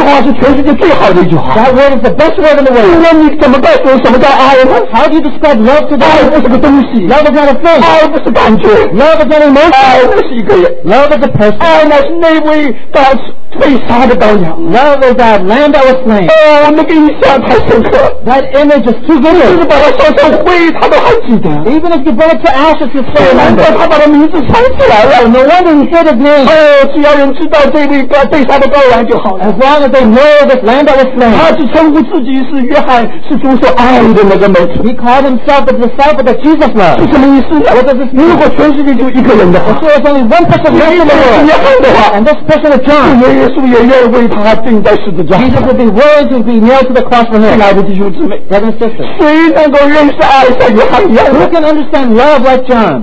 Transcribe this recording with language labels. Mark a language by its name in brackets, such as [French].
[English] That word is the best word in the world. [Chinese] 那你怎么告诉我什么叫爱? [English] How do you describe love to God? [Chinese] 爱不是个东西, [English] love is not a thing. [Chinese] 爱不是感觉, [English] love is not an emotion. [Chinese] 爱不是一个人, [English] love is a person. [Chinese] 爱那是那位, God's 被杀的羔羊. [English] Love is that lamb that was slain. [Chinese] 哦，那个印象太深刻。 [English] That image is too vivid. [Chinese] 就是把他烧成灰，他都还记得。 [English] Even if you burn it to ashes, you still remember. [Chinese] 他把他名字想起来了。 [English] No wonder he said his name. [Chinese] 哦，只要人知道这位被杀的羔羊就好了。 [English] As long as they know this lamb that was slain. [Chinese] 他就称呼自己是约翰，是主所爱的那个门徒。 [English] He called himself the disciple that Jesus loved. [Chinese] 是什么意思? [English] What does this mean? [Chinese] 如果全世界就一个人的话, [English] so there's only one person left in the world. And this person is John. Jesus would be willing to be nailed to the cross for him. Brothers and sisters, who can understand love like John?